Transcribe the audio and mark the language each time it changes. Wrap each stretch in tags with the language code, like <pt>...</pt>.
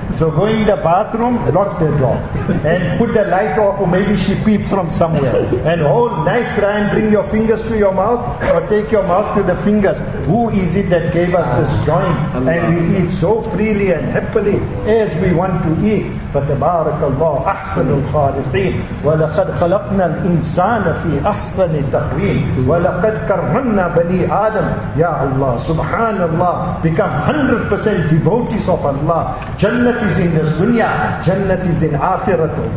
<en>So go in the bathroom, lock the door. And put the light off, or maybe she peeps from somewhere. And whole night try and bring your fingers to your mouth, or take your mouth to the fingers. Who is it that gave us this joint? And we eat so freely and happily as we want to eat.</en> <ar>فتبارك الله أحسن الخالقين ولقد خلقنا الإنسان في أحسن تقويم ولقد كرمنا بني آدم يا الله سبحان الله become 100% devotees of Allah.</ar> <en>جنة is in this dunya, جنة is in آخرة.</en>